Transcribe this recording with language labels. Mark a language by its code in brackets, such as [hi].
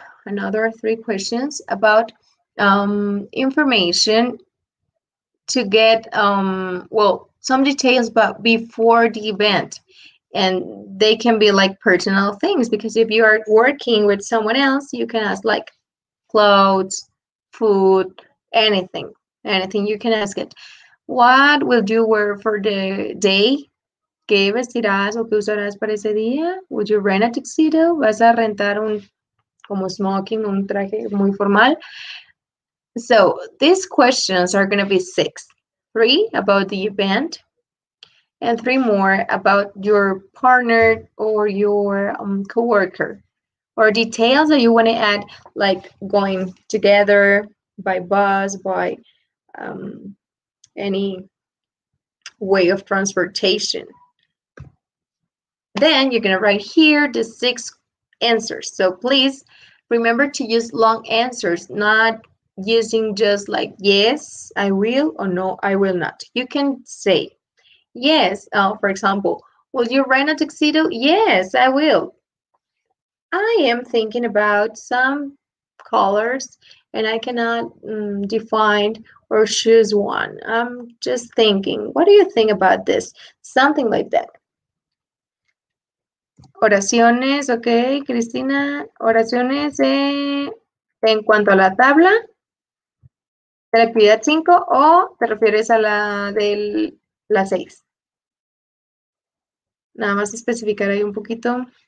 [en] Another 3 questions about information to get, some details, but before the event. And they can be like personal things, because if you are working with someone else, you can ask like clothes, food, anything you can ask it. What will you wear for the day? [es] ¿Qué vestirás o qué usarás para ese día? [en] Would you rent a tuxedo? [es] ¿Vas a rentar un como smoking, un traje muy formal? [en] So these questions are going to be 6. 3 about the event and 3 more about your partner or your coworker, or details that you want to add, like going together by bus, by any way of transportation. Then you're going to write here the 6 answers. So please remember to use long answers, not using just like yes, I will, or no, I will not. You can say yes, for example, will you rent a tuxedo? Yes, I will. I am thinking about some colors and I cannot define or choose one. I'm just thinking, what do you think about this? Something like that. [es] Oraciones, ok, Cristina, oraciones en cuanto a la tabla de la actividad 5, o te refieres a la de la 6. Nada más especificar ahí un poquito.